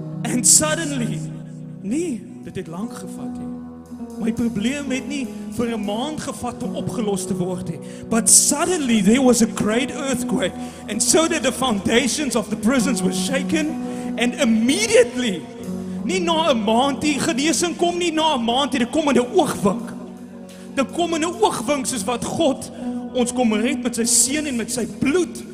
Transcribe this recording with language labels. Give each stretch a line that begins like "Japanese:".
English: And suddenly,
Afrikaans: nee, dit het lang gevat. He. My probleem het nie vir 'n maand gevat om opgelos te word. He.
English: But suddenly there was a great earthquake, and so did the foundations of the prisons were shaken, and immediately,
Afrikaans: nie na 'n maand, die genesing kom nie na 'n maand, dit kom in 'n oogwink. Dit kom in 'n oogwink soos wat God ons kom red met sy seun en met sy bloed.